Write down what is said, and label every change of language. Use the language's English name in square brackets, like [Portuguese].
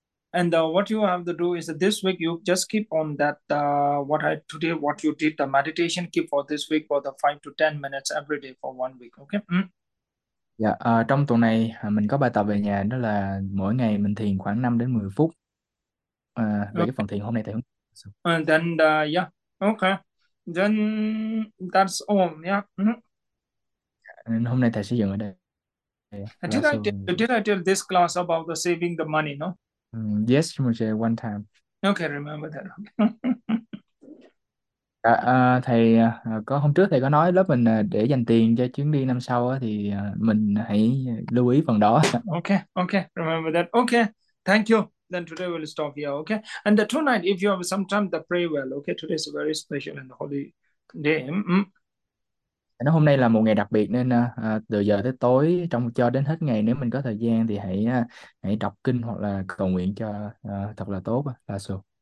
[English] And what you have to do is that this week you just keep on that what you did, the meditation, keep for this week for the 5 to 10 minutes every day for 1 week, okay? [Vietnamese] Dạ, trong tuần này mình có bài tập về nhà, đó là mỗi ngày mình thiền khoảng 5 đến 10 phút. Về cái phần thiền hôm nay thầy không... [English] And then okay. Then that's all, yeah. [Vietnamese] Nên hôm nay thầy sẽ dừng ở đây. Yeah, And là so [English] did I tell this class about the saving the money, no? yes, một chơi one time. Okay, remember that. [Vietnamese] Thầy có hôm trước thầy có nói lớp mình để dành tiền cho chuyến đi năm sau thì mình hãy lưu ý phần đó. [English] Okay, remember that. Okay, thank you. Then today we'll stop here. Okay, and tonight, if you have some time, to pray well. Okay, today is very special and holy day. [Vietnamese] Nó hôm nay là một ngày đặc biệt nên từ giờ tới tối trong cho đến hết ngày, nếu mình có thời gian thì hãy đọc kinh hoặc là cầu nguyện cho thật là tốt, là sự.